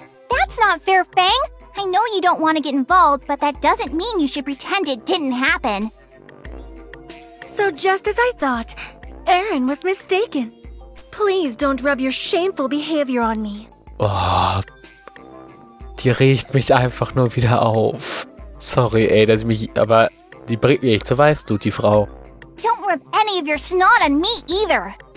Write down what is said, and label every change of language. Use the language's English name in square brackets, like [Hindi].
[English] That's not fair, Fang. I know you don't want to get involved, but that doesn't mean you should pretend it didn't happen. So just as I thought, Aaron was mistaken. Please don't rub your shameful behavior on me. [German] Oh, die regt mich einfach nur wieder auf. Sorry, ey, dass ich mich... Aber die bringt mich zur Weißglut, die Frau. [English] Don't rub any of your snot on me either.